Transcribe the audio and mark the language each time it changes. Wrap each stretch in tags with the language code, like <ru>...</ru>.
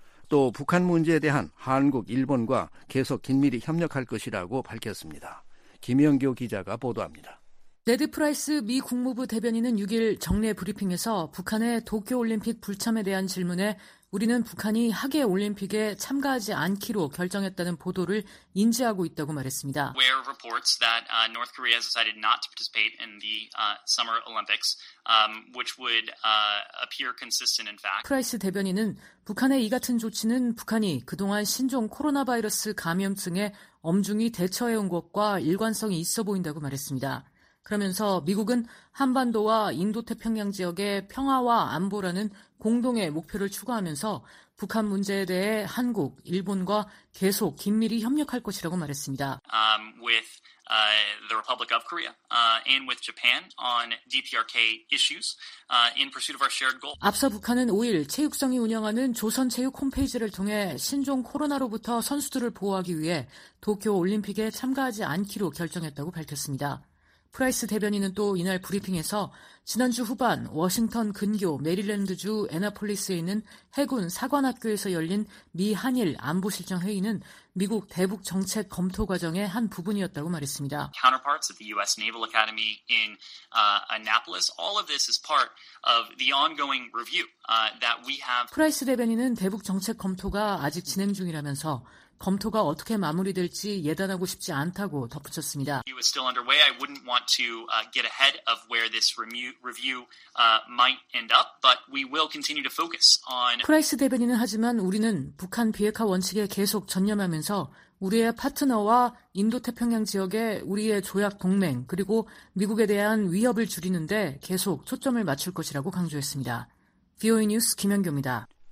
<ko>또 북한 문제에 대한 한국, 일본과 계속 긴밀히 협력할 것이라고 밝혔습니다. 김영교 기자가 보도합니다. 네드 프라이스 미 국무부 대변인은 6일 정례 브리핑에서 북한의 도쿄올림픽 불참에 대한 질문에 우리는 북한이 하계 올림픽에 참가하지 않기로 결정했다는 보도를 인지하고 있다고 말했습니다.</ko> <en>Where reports that North Korea has decided not to participate in the summer Olympics, which would appear consistent in fact.</en> <ko>프라이스 대변인은 북한의 이 같은 조치는 북한이 그동안 신종 코로나 바이러스 감염증에 엄중히 대처해온 것과 일관성이 있어 보인다고 말했습니다. 그러면서 미국은 한반도와 인도태평양 지역의 평화와 안보라는 공동의 목표를 추구하면서 북한 문제에 대해 한국, 일본과 계속 긴밀히 협력할 것이라고 말했습니다.</ko> <en>With the Republic of Korea and with Japan on DPRK issues in pursuit of our shared goal.</en> <ko>앞서 북한은 5일 체육성이 운영하는 조선체육 홈페이지를 통해 신종 코로나로부터 선수들을 보호하기 위해 도쿄올림픽에 참가하지 않기로 결정했다고 밝혔습니다. 프라이스 대변인은 또 이날 브리핑에서 지난주 후반 워싱턴 근교 메릴랜드주 애나폴리스에 있는 해군 사관학교에서 열린 미-한일 안보실장 회의는 미국 대북 정책 검토 과정의 한 부분이었다고 말했습니다.</ko> <en>Counterparts at the U.S. Naval Academy in Annapolis. All of this is part of the ongoing review that we have.</en> <ko>프라이스 대변인은 대북 정책 검토가 아직 진행 중이라면서 검토가 어떻게 마무리될지 예단하고 싶지 않다고 덧붙였습니다.</ko> <en>It was still underway. I wouldn't want to get ahead of where this review might end up, but we will continue to focus on.</en> <ko>프라이스 대변인은 하지만 우리는 북한 비핵화 원칙에 계속 전념하면서 우리의 파트너와 인도태평양 지역의 우리의 조약 동맹 그리고 미국에 대한 위협을 줄이는데 계속 초점을 맞출 것이라고 강조했습니다. VOA 뉴스 김연규입니다.</ko>